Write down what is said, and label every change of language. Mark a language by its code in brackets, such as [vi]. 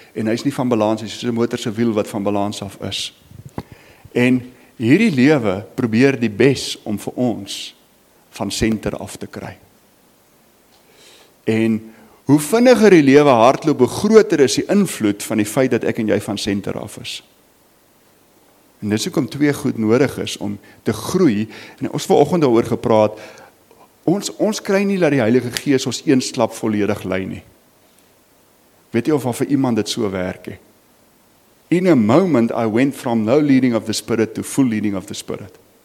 [af] En hy is nie van balans, hy is soos 'n motor se wiel wat van balans af is. En hierdie lewe probeer die bes om vir ons van center af te kry. En hoe vinniger die lewe hardloop, hoe groter is die invloed van die feit dat ek en jy van center af is. En dis hoekom twee goed nodig is om te groei. En ons vanoggend daaroor gepraat, Ons kry nie dat die Heilige Gees ons een slap volledig lei nie. Weet jy of al vir iemand dit so werk he? [en] In a moment I went from no leading of the Spirit to full leading of the Spirit.